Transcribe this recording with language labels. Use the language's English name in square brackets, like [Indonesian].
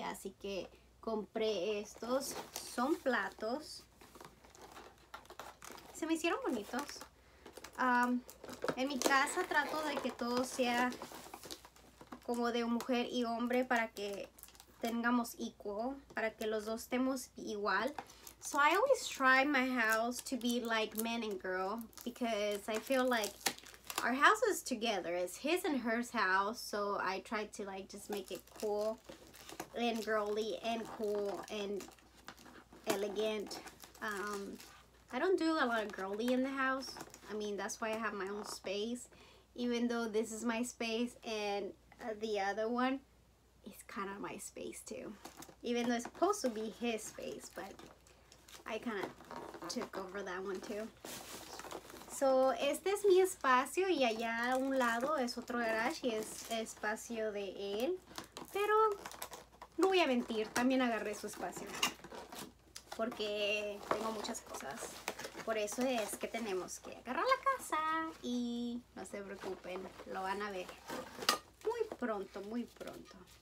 [Spanish] Así que compré estos. Son platos. Se me hicieron bonitos. En mi casa trato de que todo sea como de mujer y hombre para que tengamos equal. Para que los dos estemos igual. [English] So I always try my house to be like man and girl because I feel like our house is together. It's his and hers house. So I try to like just make it cool and girly and cool and elegant. I don't do a lot of girly in the house. I mean, that's why I have my own space. Even though this is my space and the other one is kind of my space too. Even though it's supposed to be his space, but... I kind of took over that one too. [Spanish] So, este es mi espacio y allá a un lado es otro garage y es espacio de él. Pero no voy a mentir, también agarré su espacio. porque tengo muchas cosas. Por eso es que tenemos que agarrar la casa y no se preocupen, lo van a ver muy pronto, muy pronto.